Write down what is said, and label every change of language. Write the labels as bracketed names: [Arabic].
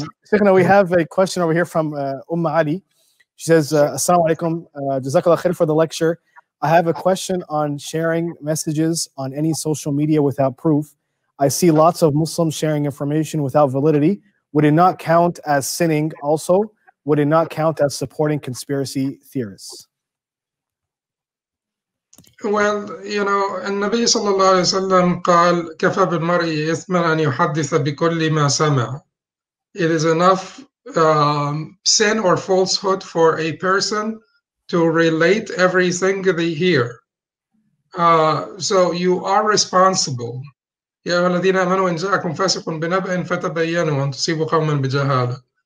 [English] Sheikh, now we have a question over here from Umma Ali. She says, Assalamu alaikum, Jazakallah khair for the lecture. I have a question on sharing messages on any social media without proof. I see lots of Muslims sharing information without validity. Would it not count as sinning also? Would it not count as supporting conspiracy theorists? Well, you know, [Arabic] النبي صلى الله عليه وسلم قال كفى بالمرء إثما أن يحدث بكل ما سمع. [English] It is enough sin or falsehood for a person to relate everything they hear. So you are responsible. [Arabic] يا الذين آمنوا إن جاءكم فاسق بنبأ فتبينوا أن تصيبوا قوما بجهالة.